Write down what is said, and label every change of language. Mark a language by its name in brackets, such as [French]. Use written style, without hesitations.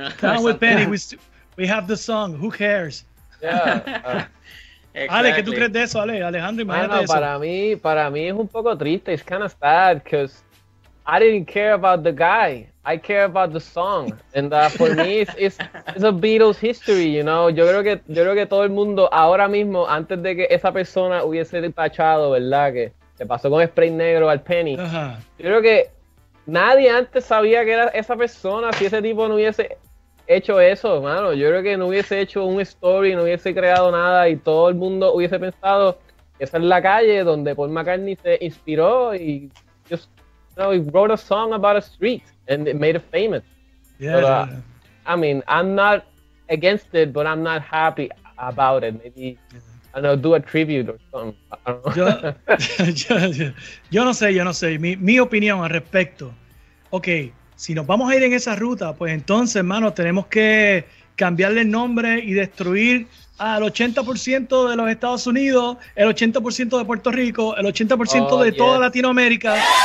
[English] Down with Penny. We have the song. Who cares? Yeah. [Spanish] Ale, ¿qué tú crees de eso, Ale? Alejandro, imagínate eso. Para mí es un poco triste. [English] It's kind of sad because I didn't care about the guy. I care about the song. And for me, it's a Beatles history, you know? [Spanish] Yo creo que todo el mundo, ahora mismo, antes de que esa persona hubiese tachado, ¿verdad? Que se pasó con spray negro al Penny. Uh-huh. Yo creo que nadie antes sabía que era esa persona si ese tipo no hubiese hecho eso, mano. Yo creo que no hubiese hecho un story, no hubiese creado nada y todo el mundo hubiese pensado que esa es la calle donde Paul McCartney se inspiró y yo. [English] No, he wrote a song about a street and it made it famous. Yeah. But, I mean, I'm not against it, but I'm not happy about it. Maybe, yeah. I don't know, do a tribute or something. I don't know. [Spanish] Yo no sé. Mi opinión al respecto. Okay, si nos vamos a ir en esa ruta, pues entonces, hermano, tenemos que cambiarle el nombre y destruir al 80% de los Estados Unidos, el 80% de Puerto Rico, el 80% de toda Latinoamérica.